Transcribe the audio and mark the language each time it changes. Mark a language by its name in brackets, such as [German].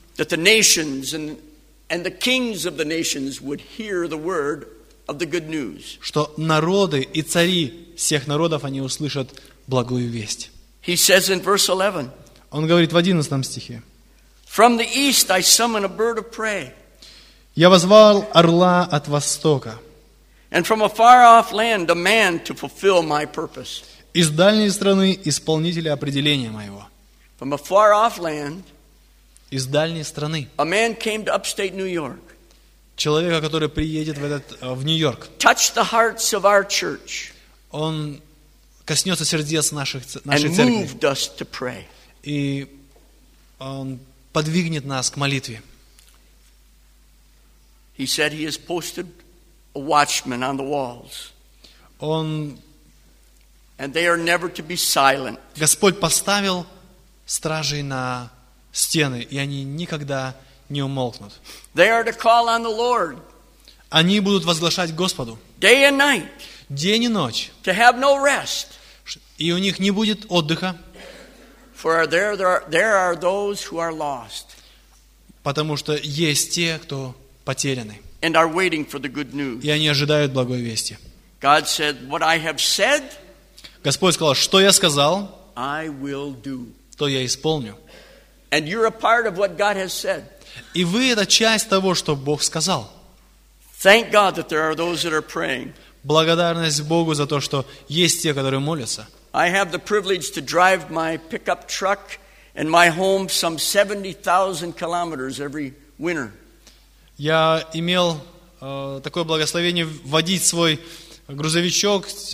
[English] That the nations and the kings of the nations would hear the word. Of the good news. [Russian] Что народы и цари всех народов, они услышат благую весть. [English] He says in verse 11. [Russian] Он говорит в 11 стихе. [English] From the east I summon a bird of prey. [Russian] Я возвал орла от востока. [English] And from a far off land a man to fulfill my purpose. [Russian] Из дальней страны исполнителя определения моего. [English] From a far off land. [Russian] Из дальней страны. [English] A man came to upstate New York. [Russian] Человека, который приедет в Нью-Йорк. [English] Touch the hearts of our church. [Russian] Он коснется сердец нашей церкви. [English] And moved us to pray. [Russian] И он подвигнет нас к молитве. [English] He said he has posted a watchman on the walls. [Russian] Он... [English] And they are never to be silent. [Russian] Господь поставил стражей на стены, и они никогда... не умолкнут. [English] They are to call on the Lord. [Russian] Они будут возглашать Господу. [English] Day and night. [Russian] День и ночь. [English] To have no rest. [Russian] И у них не будет отдыха. [English] For there are those who are lost. [Russian] Потому что есть те, кто потеряны. [English] And are waiting for the good news. [Russian] И они ожидают благой вести. [English] God said, "What I have said." [Russian] Господь сказал, что я сказал. [English] I will do. [Russian] То я исполню. [English] And you're a part of what God has said. [Russian] И вы – это часть того, что Бог сказал. [English] Thank God that there are those that are praying. [Russian] Благодарность Богу за то, что есть те, которые молятся. [English] I have the privilege to drive my pickup truck and my home some 70,000 kilometers every winter. [Russian] Я имел такое благословение водить свой грузовичок